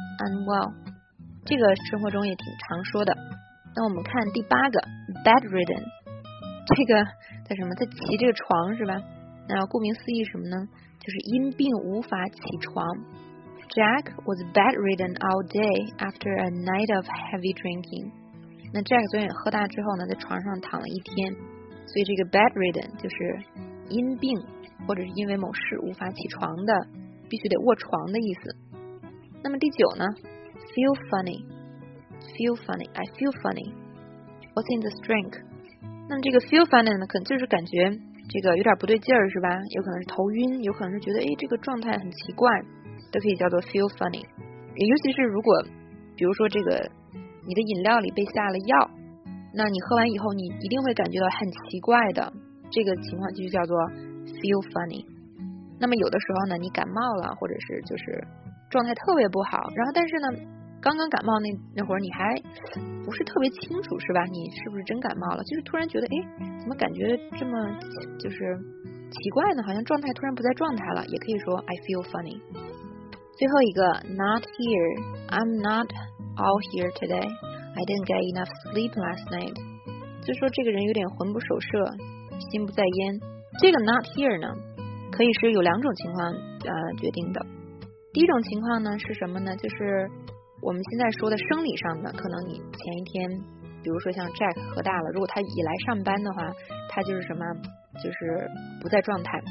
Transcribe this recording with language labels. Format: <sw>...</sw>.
<zh>unwell， 这个生活中也挺常说的。那我们看第八个， bedridden， 这个在什么，在骑这个床，是吧，那顾名思义什么呢，就是因病无法起床。</zh> <en>Jack was bedridden all day after a night of heavy drinking。</en> <zh>那 Jack 昨天喝大之后呢，在床上躺了一天，所以这个 bedridden 就是因病或者是因为某事无法起床的，必须得卧床的意思。那么第九呢，</zh> <en>feel funny， I feel funny， what's in this drink，</en> <zh>那么这个 feel funny 呢，可能就是感觉这个有点不对劲儿，是吧？有可能是头晕，有可能是觉得哎这个状态很奇怪，都可以叫做 feel funny。也尤其是如果比如说这个你的饮料里被下了药，那你喝完以后你一定会感觉到很奇怪的，这个情况就是叫做 feel funny。那么有的时候呢，你感冒了或者是就是状态特别不好，然后但是呢刚刚感冒那会儿你还不是特别清楚，是吧？你是不是真感冒了，就是突然觉得哎怎么感觉这么就是奇怪呢，好像状态突然不在状态了，也可以说</zh> <en>I feel funny。最后一个 not here， I'm not all here today， I didn't get enough sleep last night，</en> <zh>就说这个人有点魂不守舍，心不在焉。这个 not here 呢可以是有两种情况决定的。第一种情况呢是什么呢，就是我们现在说的生理上的，可能你前一天比如说像 Jack 喝大了，如果他一来上班的话他就是什么就是不在状态。</zh>